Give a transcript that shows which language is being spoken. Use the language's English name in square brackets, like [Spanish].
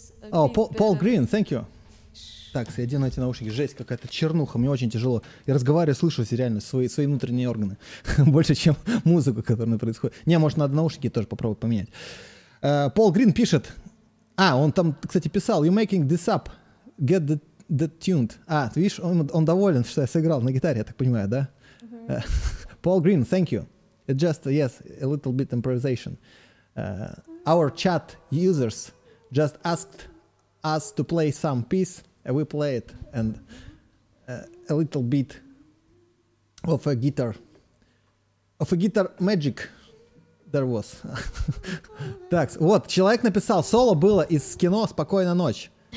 [Russian] О, Пол Грин, [English] thank you. [Russian] Так, я одену эти наушники. Жесть какая-то, чернуха, мне очень тяжело. Я разговариваю, слышу реально свои внутренние органы. Больше, чем музыку, которая происходит. Не, может, надо наушники тоже попробовать поменять. Пол Грин пишет... А, он там, кстати, писал, [English] you're making this up, get the tuned. [Russian] А, ты видишь, он доволен, что я сыграл на гитаре, я так понимаю, да? [English] Paul Green, thank you. It just, yes, a little bit improvisation. Our chat users just asked us to play some piece, and we play it, and a little bit of a guitar. Of a guitar magic. There was. [Russian] Так, вот, человек написал, соло было из кино «Спокойная ночь».